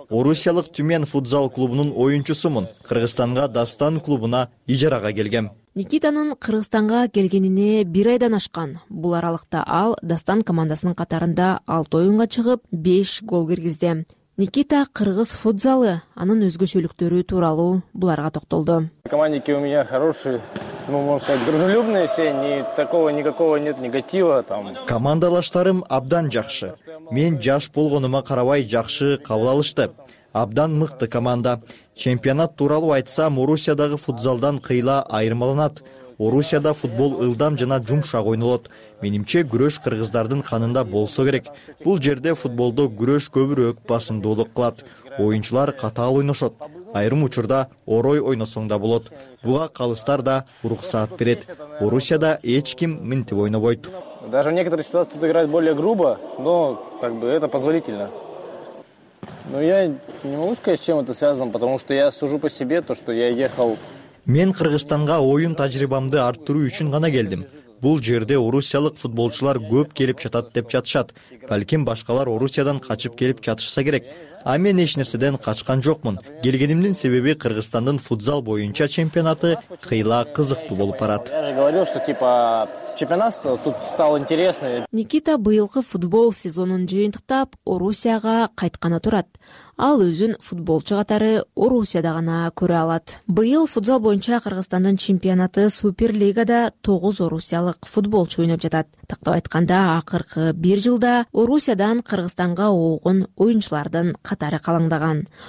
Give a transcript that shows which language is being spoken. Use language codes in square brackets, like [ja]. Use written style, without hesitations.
[ky] Орусиялык Тюмен футзал клубунун оюнчусумун. Кыргызстанга Дастан клубуна ижарага келгем. Никитанын Кыргызстанга келгенине бир айдан ашкан. Бул аралыкта ал Дастан командасынын катарында 6 оюнга чыгып 5 гол киргизди. Никита кыргыз футзалы, анын өзгөчөлүктөрү тууралуу буларга токтолду. [ru] Командики у меня хорошие, ну, можно сказать, дружелюбные все, ни такого никакого нет негатива там. [ky] Командалаштарым абдан жакшы. Мен жаш болгонума карабай жакшы кабыл алышты. Абдан мыкты команда. Чемпионат тууралуу айтсам, Орусиядагы футзалдан кыйла айырмаланат. Орусияда футбол ылдам жана жумшак ойнолот. Менимче, күрөш кыргыздардын канында болсо керек. Бул жерде футболдо күрөш көбүрөөк басымдуулук кылат. Оюнчулар катаал ойношот. Айрым учурда орой ойносоң да болот. Буга калыстар да уруксат берет. Орусияда эч ким минтип ойнобойт. [ru] Даже в некоторых ситуациях тут играть более грубо, но как бы это позволительно. Ну я не могу сказать, с чем это связано, потому что я сужу по себе то, что я ехал. [ky] Мен Кыргызстанга оюн тажрыйбамды арттыруу үчүн гана келдим. Бул жерде орусиялык футболчулар көп келип жатат деп жатышат. Балким башкалар Орусиядан качып келип жатышса керек. А мен эч нерседен качкан жокмун. Келгенимдин себеби Кыргызстандын футзал боюнча чемпионаты кыйла кызыктуу болуп барат. [ru] Я же говорил, что типа чемпионат тут стал интересный. [ky] Никита быйылкы футбол сезонун жыйынтыктап Орусияга кайтканы турат. Ал өзүн футболчу катары Орусияда гана көрө алат. Быйыл футзал боюнча Кыргызстандын чемпионаты Суперлигада 9 орусиялык футболчу ойноп жатат. Тактап айтканда, акыркы 1 жылда Орусиядан Кыргызстанга ооган оюнчулардын катары калыңдаган.